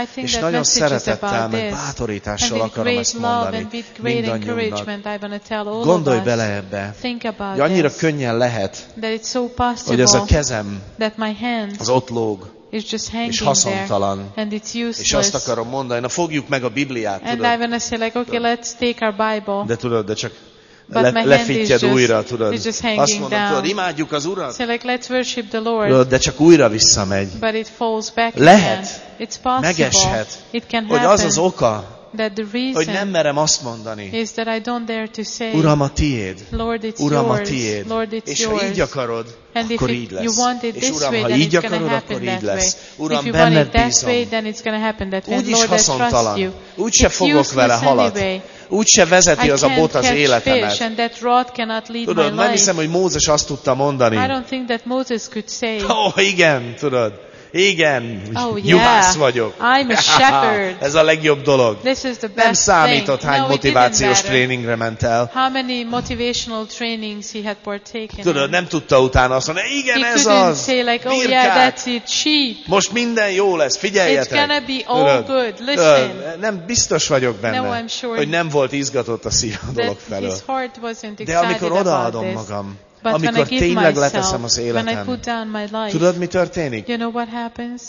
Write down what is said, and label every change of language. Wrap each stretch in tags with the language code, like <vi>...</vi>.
<hu>És nagyon szeretettel, meg bátorítással akarom ezt mondani.</hu> <en>Great encouragement I want to tell all</en> <hu>Gondolj</hu> <en>of us.</en> <hu>Bele ebbe.</hu> <en>Think about</en> <hu>hogy annyira könnyen lehet,</hu> <en>that it's so possible</en> <hu>hogy ez a kezem</hu> <en>that my hand</en> <hu>az ott lóg,</hu> <en>is just hanging</en> <hu>és haszontalan.</hu> <en>There, and it's useless.</en> <hu>És azt akarom mondani, na fogjuk meg a Bibliát,</hu> <en>and</en> <hu>tudod.</hu> <en>I want to say like, okay, let's take our Bible.</en> <hu>De tudod, de csak lefittyed újra, tudod. Azt mondom,</hu> <en>down.</en> <hu>Tudod, imádjuk az Urat.</hu> <en>So like, let's worship the Lord.</en> <hu>Tudod, de csak újra visszamegy.</hu> <en>But it falls back</en> <hu>lehet.</hu> <en>Again. It's possible.</en> <hu>Megeshet.</hu> <en>It can</en> <hu>hogy</hu> <en>happen.</en> <hu>Az az oka,</hu> <en>that the reason</en> <hu>hogy nem merem azt mondani,</hu> <en>is that I don't dare to say,</en> <hu>Uram, a tiéd.</hu> <en>Lord, it's</en> <hu>Uram,</hu> <en>yours.</en> <hu>A tiéd.</hu> <en>Lord, it's</en> <hu>és</hu> <en>yours.</en> <hu>Ha így akarod,</hu> <en>and</en> <hu>akkor</hu> <en>if</en> <hu>így lesz. És Uram,</hu> <en>way,</en> <hu>ha így akarod, akkor így lesz. Uram,</hu> <en>if</en> <hu>benned</hu> <en>you want it</en> <hu>bízom.</hu> <en>That way, then it's gonna happen that way.</en> <hu>Úgy is</hu> <en>Lord,</en> <hu>haszontalan.</hu> <en>You.</en> <hu>Úgy se fogok vele halat. Úgy se vezeti az a bot az életemet.</hu> <en>And that rod cannot lead</en> <hu>tudod,</hu> <en>my life.</en> <hu>Nem hiszem, hogy Mózes azt tudta mondani.</hu> <en>I don't think that Moses could say.</en> <hu>Oh, igen, tudod. Igen,</hu> <en>oh,</en> <hu>juhász</hu> <en>yeah.</en> <hu>vagyok.</hu> <en>I'm a shepherd.</en> <hu>Ez a legjobb dolog.</hu> <en>This is the best</en> <hu>nem számított,</hu> <en>thing.</en> <hu>Hány</hu> <en>no,</en> <hu>motivációs tréningre ment el.</hu> <en>How many motivational trainings he had partaken in.</en> <hu>Tudod, nem tudta utána azt mondani, igen,</hu> <en>he</en> <hu>ez az.</hu> <en>He couldn't say like, oh yeah, that's it, sheep.</en> <hu>Most minden jó lesz, figyeljetek.</hu> <en>It's gonna be all tudod, good, listen.</en> <hu>Nem biztos vagyok benne,</hu> <en>no, I'm sure</en> <hu>hogy nem volt izgatott a szív a dolog felől.</hu> <en>His heart wasn't excited</en> <hu>de amikor odaadom</hu> <en>this.</en> <hu>Magam, but amikor tényleg leteszem az életem,</hu> <en>life,</en> <hu>tudod, mi történik?</hu> <en>You know what happens?</en>